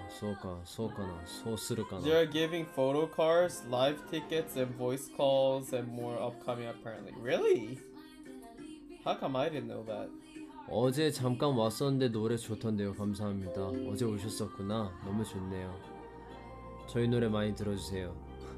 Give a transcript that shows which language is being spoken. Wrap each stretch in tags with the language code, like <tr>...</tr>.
<ja>そうか, そうかな, そうするかな.</ja> <en>They are giving photo cards, live tickets, and voice calls, and more upcoming apparently. Really? How come I didn't know that?</en> <ko>어제 잠깐 왔었는데 노래 좋던데요. 감사합니다. 어제 오셨었구나. 너무 좋네요. 저희 노래 많이 들어주세요.</ko>